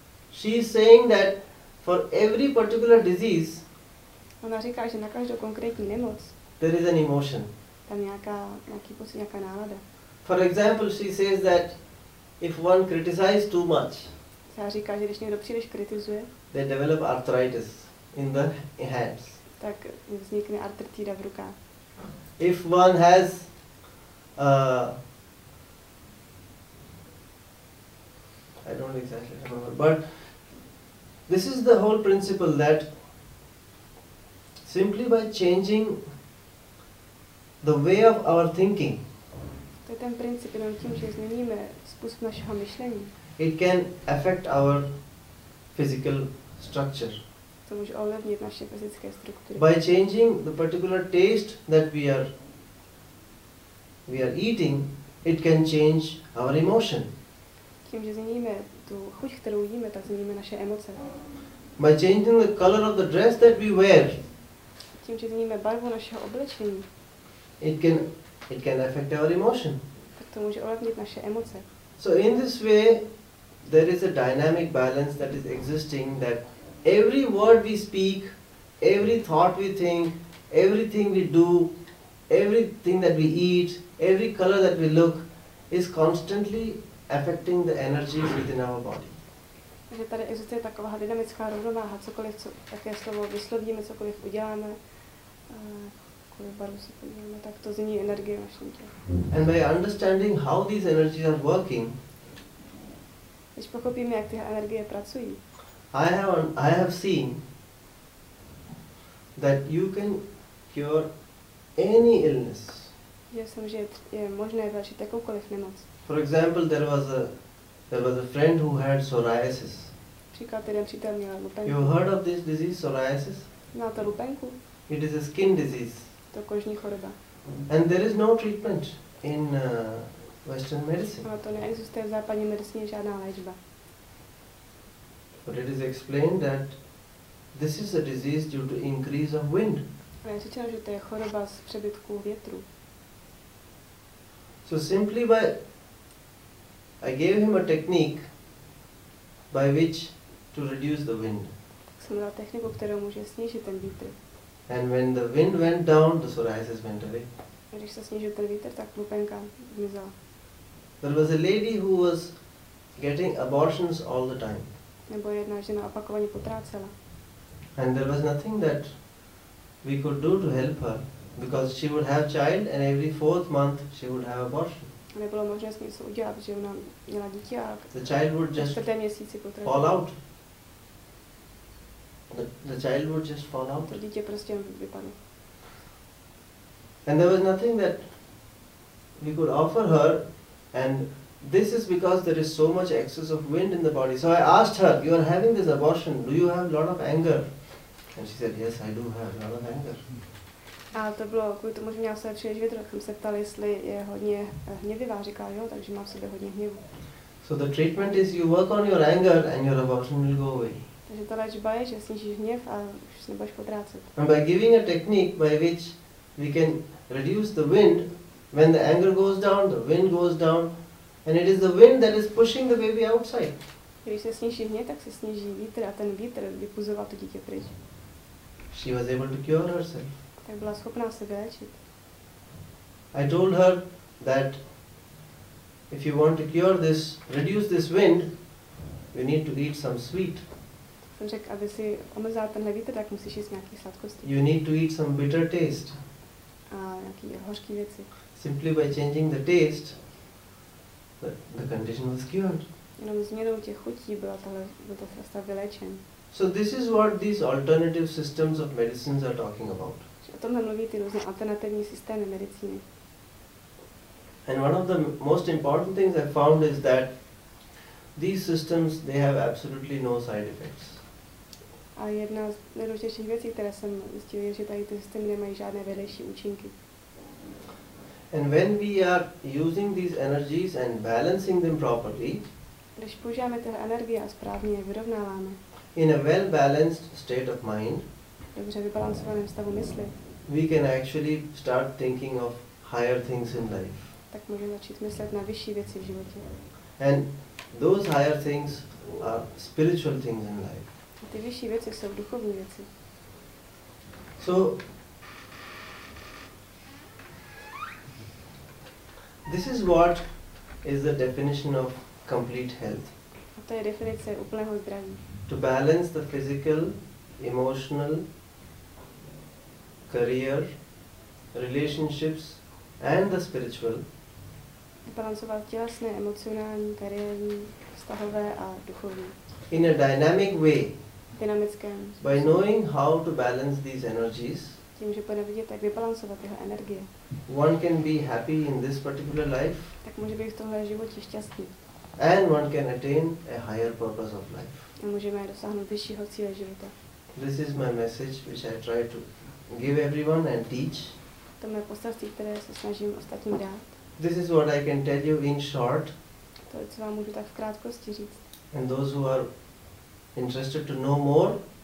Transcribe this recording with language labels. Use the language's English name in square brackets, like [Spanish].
[English] She is saying that for every particular disease, [Czech] ona říká, že na každou konkrétní nemoc, [English] there is an emotion. [Czech] Tam nějaký pocit, nějaká nálada. [English] For example, she says that if one criticizes too much, [Czech] ta říká, že když někdo příliš kritizuje, [English] they develop arthritis in the hands. [Czech] Tak vznikne artritída v rukách. [English] If one has I don't exactly remember, but this is the whole principle that simply by changing the way of our thinking, [Czech] to je ten princip, jenom tím, že změníme způsob našeho myšlení, [English] it can affect our physical structure. [Czech] To může ovlivnit naše fyzické struktury. [English] By changing the particular taste that we are eating, it can change our emotion. [Czech] Tím, že změníme tu chuť, kterou jíme, tak změníme naše emoce. [English] By changing the color of the dress that we wear, [Czech] tím, že změníme barvu našeho oblečení, [English] it can affect our emotion. [Czech] Tak to může ovlivnit naše emoce. [English] So in this way, there is a dynamic balance that is existing, that every word we speak, every thought we think, everything we do, everything that we eat, every color that we look, is constantly affecting the energies within our body. [Czech] Takže tady existuje taková dynamická rovnováha, cokoliv, jaké slovo vyslovíme, cokoliv uděláme, kolik barvu si podíváme, tak to změní energie v našem těle. [English] And by understanding how these energies are working, [Czech] když pochopíme, jak tyhle energie pracují, [English] I have seen that you can cure any illness. [Czech] Já jsem, že je možné vylečit jakoukoliv nemoc. [English] For example, there was a friend who had psoriasis. [Czech] Příklad, jeden přítel měl lupenku. [English] You heard of this disease, psoriasis? [Czech] Na to lupenku. [English] It is a skin disease. [Czech] To kožní choroba. [English] And there is no treatment in Western medicine. [Czech] Ale to neexistuje v západní medicíně žádná léčba. [English] But it is explained that this is a disease due to increase of wind. [Czech] Ale říkám, že to je choroba z přebytku větru. [English] So simply by I gave him a technique by which to reduce the wind. [Czech] Jsem dal techniku, kterou může snížit ten vítr. [English] And when the wind went down, the psoriasis went away. [Czech] Když se snížil ten vítr, tak lupenka zmizela. [English] There was a lady who was getting abortions all the time. [Czech] Nebo jedna žena opakovaně potrácela. [English] And there was nothing that we could do to help her, because she would have child and every fourth month she would have abortion. [Czech] Nebylo možné s ní něco udělat, že ona měla dítě a [English] the child would just [Czech] čtvrté měsíci potrácela. [English] Fall out. The child would just fall out. [Czech] To dítě prostě vypadlo. [English] And there was nothing that we could offer her, and this is because there is so much excess of wind in the body. So I asked her, you are having this abortion, do you have a lot of anger? And she said, yes, I do have a lot of anger. [Czech] A to bylo kvůli tomu, že měla se příliš větr, tak jsem se ptal, jestli je hodně hněvivá, říká, jo, takže mám v sobě hodně hněvu. [English] So the treatment is you work on your anger and your abortion will go away. [Czech] Takže ta léčba je, že snížíš hněv a už se nebudeš potrácet. [English] And by giving a technique by which we can reduce the wind, when the anger goes down, the wind goes down, and it is the wind that is pushing the baby outside. [Czech] Když se sníží hněv, tak se sníží vítr a ten vítr vypuzoval to dítě pryč. [English] She was able to cure herself. [Czech] Tak byla schopná se vyléčit. [English] I told her that if you want to cure this, reduce this wind, you need to eat some sweet. [Czech] Jsem řekl, aby si omezila tenhle vítr, tak musíš jíst nějaký sladkosti. [English] You need to eat some bitter taste. [Czech] A nějaký hořký věci. [English] Simply by changing the taste, the condition was cured. [Czech] Jenom změnou těch chutí byla tahle stav vyléčen. [English] So this is what these alternative systems of medicines are talking about. [Czech] O tomhle mluví ty různé alternativní systémy medicíny. [English] And one of the most important things I found is that these systems, they have absolutely no side effects. [Czech] A jedna z nejdůležitějších věcí, které jsem zjistil, je, že tady ty systémy nemají žádné vedlejší účinky. [English] And when we are using these energies and balancing them properly, [Czech] když používáme tyhle energie a správně je vyrovnáváme, [English] in a well-balanced state of mind, [Czech] dobře vybalancovaném stavu mysli, [English] we can actually start thinking of higher things in life. [Czech] Tak můžeme začít myslet na vyšší věci v životě. [English] And those higher things are spiritual things in life. [Czech] A ty vyšší věci jsou duchovní věci. [English] So this is what is the definition of complete health. [Czech] A to je definice úplného zdraví. [English] To balance the physical, emotional, career, relationships and the spiritual. [Czech] Balancovat tělesné, emocionální, kariérní, vztahové a duchovní. [English] In a dynamic way. [Czech] Dynamickém. [English] By knowing how to balance these energies. [Czech] Tím, že bude vidět, jak vybalancovat jeho energie. [English] One can be happy in this particular life. [Czech] Tak může být v tomhle životě šťastný. [English] And one can attain a higher purpose of life. [Czech] A můžeme dosáhnout vyššího cíle života. [English] This is my message which I try to give everyone and teach. [Czech] To je poselství, které se snažím ostatním dát. [English] This is what I can tell you in short. [Czech] To je, co vám můžu tak v krátkosti říct. [English] And those who are interested to know more,